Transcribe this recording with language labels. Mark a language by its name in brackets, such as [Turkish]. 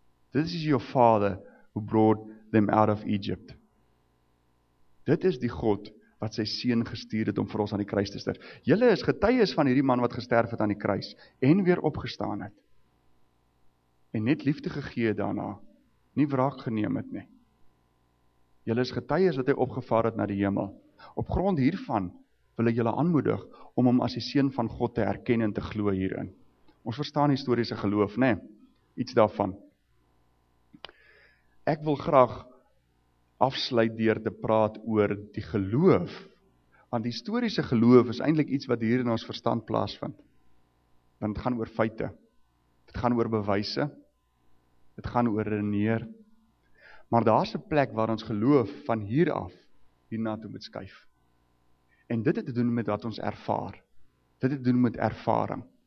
[English] This is your father who brought them out of Egypt. [Afrikaans] Dit is die God wat sy seun gestuur het om vir ons aan die kruis te sterf. Julle is getuies van hierdie man wat gesterf het aan die kruis en weer opgestaan het. En net liefde gegee daarna, nie wraak geneem het nie. Julle is getuies dat hy opgevaar het na die hemel. Op grond hiervan wil ek julle aanmoedig om hom as die seun van God te erken en te glo hierin. Ons verstaan historiese geloof, nê? Iets daarvan. Ek wil graag afsluit deur te praat oor die geloof, want historiese geloof is eintlik iets wat hier in ons verstand plaasvind. Want dit gaan oor feite. Dit gaan oor bewyse. Dit gaan oor redeneer. Maar daar's 'n plek waar ons geloof van hier af hiernatoe moet skuif. En dit het te doen met wat ons ervaar. Dit het te doen met ervaring.